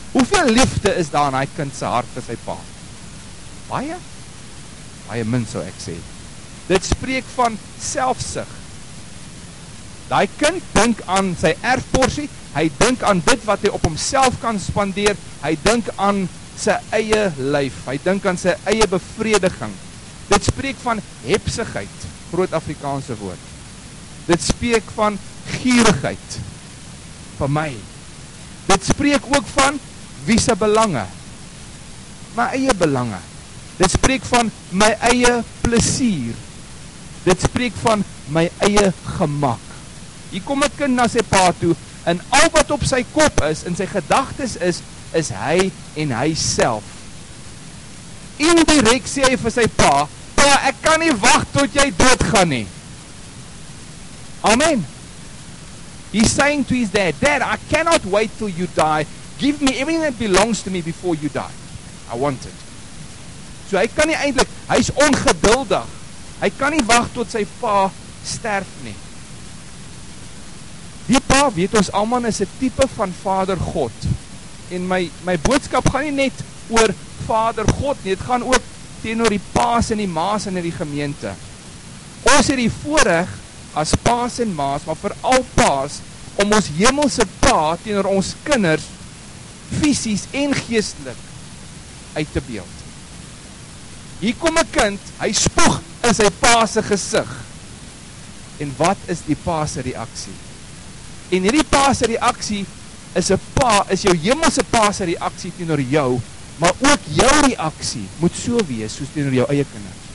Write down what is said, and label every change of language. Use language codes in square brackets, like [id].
[af] Hoeveel liefde is daar in hy kind sy hart vir sy pa? Baie? Baie min, sou ek sê. Dit spreek van selfsug. Daai kind dink aan sy erfporsie, hy dink aan dit wat hy op homself kan spandeer, hy dink aan sy eie lyf, hy dink aan sy eie bevrediging. Dit spreek van hebsigheid, groot Afrikaanse woord. Dit spreek van gierigheid vir my. Dit spreek ook van wie se belange, my eie belange. Dit spreek van my eie plesier. Dit spreek van my eie gemak. Hier kom 'n kind na sy pa toe, en al wat op sy kop is, in sy gedagtes is, is hy en hy self. Indirek sê hy vir sy pa, pa, ek kan nie wacht tot jy doodgaan nie. [en] Amen. He's saying to his dad, Dad, I cannot wait till you die. Give me everything that belongs to me before you die. I want it. [af] So hy kan nie eindelijk, hy is ongeduldig. Hy kan nie wacht tot sy pa sterf nie. Die pa weet ons allemaal is 'n type van Vader God. En my boodskap gaan nie net oor Vader God nie. Het gaan ook teenoor die pa's en die ma's en die gemeente. Ons het die voorreg as pa's en ma's, maar vooral pa's, om ons hemelse pa teenoor ons kinders fisies en geestelik uit te beeld. Hier kom 'n kind, hy spoeg in sy pa se gesig. En wat is die pa se reaksie? En hierdie pa se reaksie is 'n pa, is jou hemelse pa se reaksie teenoor jou, maar ook jou reaksie moet so wees soos teenoor jou eie kinders.